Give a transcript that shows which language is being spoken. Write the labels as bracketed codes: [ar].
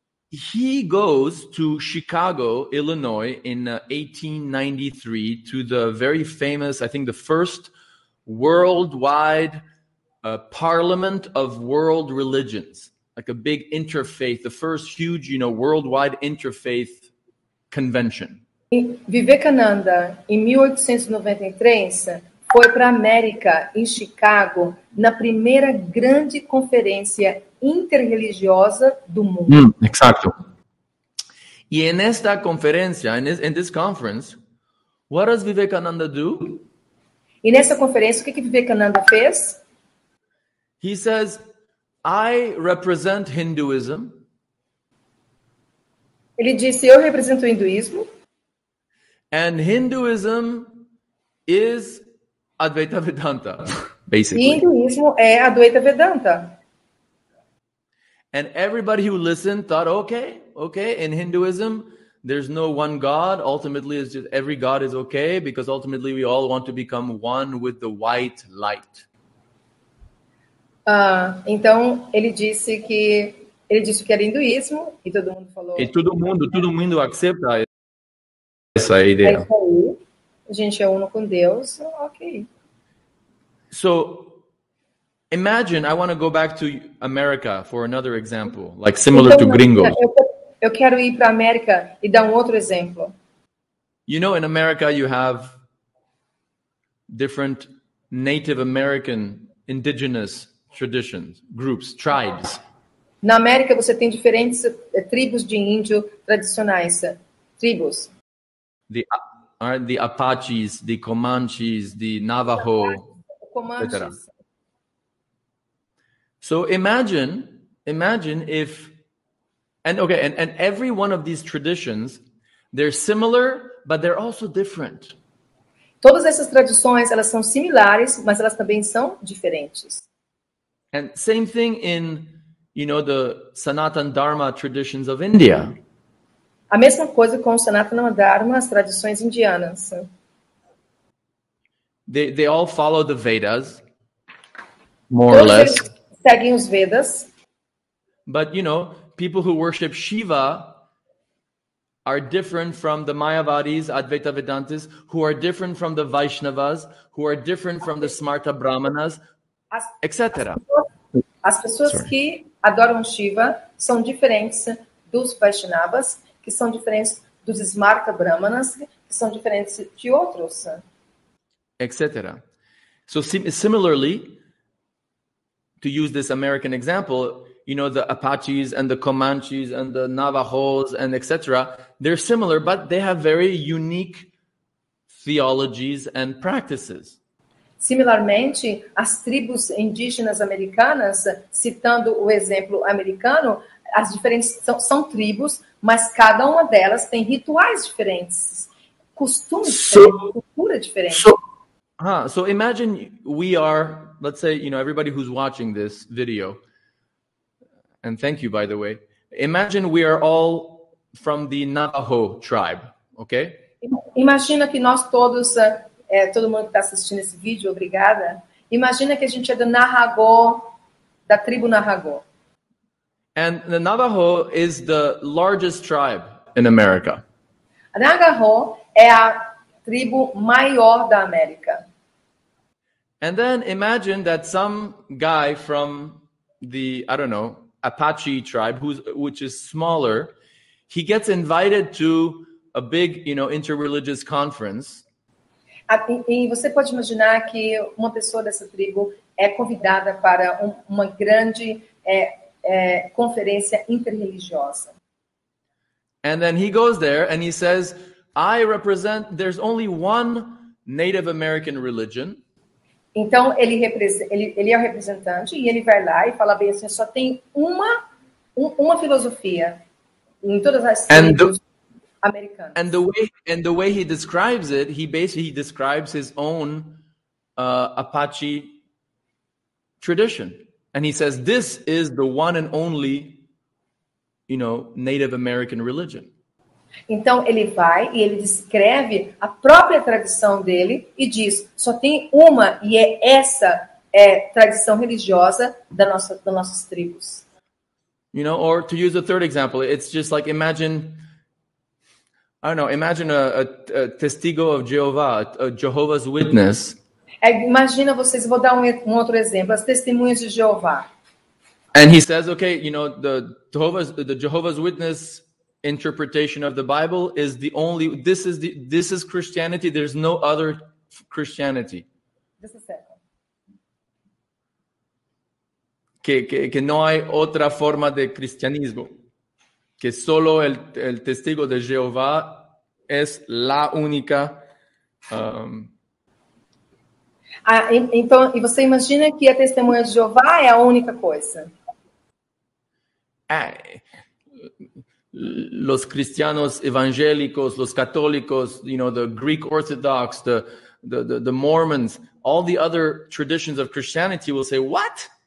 [en] He goes to Chicago, Illinois, in 1893, to the very famous, I think the first worldwide parliament of world religions, like a big interfaith, the first huge, worldwide interfaith convention. [pt] Vivekananda, em 1893, foi para a América, em Chicago, na primeira grande conferência interreligiosa do mundo. Exato. E nesta conferência, [en] in this conference, what does Vivekananda do? [pt] E nessa conferência, o que Vivekananda fez? [en] He says, I represent Hinduism. [pt] Ele disse, eu represento o hinduísmo. [en] And Hinduism is Advaita Vedanta, basically. [pt] E hinduísmo é Advaita Vedanta. [en] And everybody who listened thought, okay, in Hinduism, there's no one God. Ultimately, it's just every God is okay, because ultimately we all want to become one with the white light. [pt] Então, ele disse que era hinduísmo, e todo mundo falou... E todo mundo acepta isso. Essa é a ideia. A gente é uno com Deus, ok. [en] So, imagine, I want to go back to America for another example, like similar to gringo. [pt] Eu quero ir para a América e dar outro exemplo. [en] In America you have different Native American indigenous traditions, groups, tribes. [pt] Na América você tem diferentes tribos de índio tradicionais, tribos. [en] The Apaches, the Comanches, the Navajo, etc. So imagine if, and every one of these traditions, they're similar, but they're also different. [pt] Todas essas tradições, elas são similares, mas elas também são diferentes. [en] And same thing in, the Sanatan Dharma traditions of India. [pt] A mesma coisa com o Sanatana Dharma, as tradições indianas. [en] They all follow the Vedas, more or less. [pt] Eles seguem os Vedas. [en] But, people who worship Shiva are different from the Mayavadis, Advaita Vedantis, who are different from the Vaishnavas, who are different from the Smarta Brahmanas, etc. [pt] As pessoas que adoram Shiva são diferentes dos Vaishnavas, que são diferentes dos Smarta Brahmanas, que são diferentes de outros. Etc. [en] So, similarly, to use this American example, the Apaches and the Comanches and the Navajos and etc., they're similar, but they have very unique theologies and practices. [pt] Similarmente, as tribos indígenas americanas, citando o exemplo americano, as diferentes são tribos, mas cada uma delas tem rituais diferentes, costumes diferentes, cultura diferente. [en] So imagine we are, let's say, everybody who's watching this video, and thank you, by the way, imagine we are all from the Navajo tribe, okay? [pt] Imagina que nós todos, todo mundo que está assistindo esse vídeo, obrigada, imagina que a gente é do Navajo, da tribo Navajo. [en] And the Navajo is the largest tribe in America. [pt] Navajo é a tribo maior da América. [en] And then imagine that some guy from the, I don't know, Apache tribe, which is smaller, he gets invited to a big, you know, interreligious conference. [pt] E você pode imaginar que uma pessoa dessa tribo é convidada para uma grande conferência interreligiosa. [en] And then he goes there and he says, I represent, there's only one Native American religion. [pt] Então ele é o representante e ele vai lá e fala bem assim, só tem uma filosofia em todas as tribos. [en] And the way he describes it, he describes his own Apache tradition, and he says this is the one and only, you know, Native American religion. [pt] Então ele vai e ele descreve a própria tradição dele e diz só tem uma e é essa é tradição religiosa das nossas tribos. [en] You know, or to use a third example, it's just like imagine. I don't know. Imagine a testigo of Jehovah, a Jehovah's Witness. [pt] Imagina vocês. Vou dar um outro exemplo. As testemunhas de Jeová. [en] And he says, okay, you know, the Jehovah's Witness interpretation of the Bible is the only. This is Christianity. There's no other Christianity. This is it. [es] Que no hay otra forma de cristianismo. Que solo el testigo de Jehová es la única. [pt] Então, e você imagina que a testemunha de Jeová é a única coisa? [es] Los cristianos evangélicos, los católicos, [en] you know, the Greek Orthodox, the Mormons, all the other traditions of Christianity will say, what?